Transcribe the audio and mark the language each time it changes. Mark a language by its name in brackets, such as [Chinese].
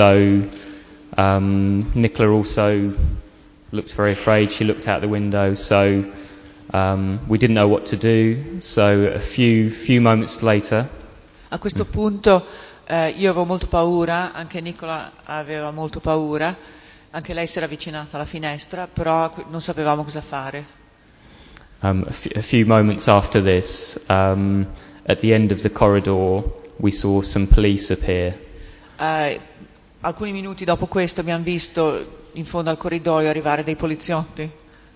[English] Nicola also looked very afraid. She looked out the window. So. We didn't know what to do, so a few moments later. [Italian] A questo punto io avevo molto paura, anche Nicola aveva molto paura, anche lei si era avvicinata alla finestra, però non sapevamo cosa fare. [English] A few moments after this, at the end of the corridor, we saw some police appear. [Italian] Alcuni minuti dopo questo abbiamo visto in fondo al corridoio arrivare dei poliziotti.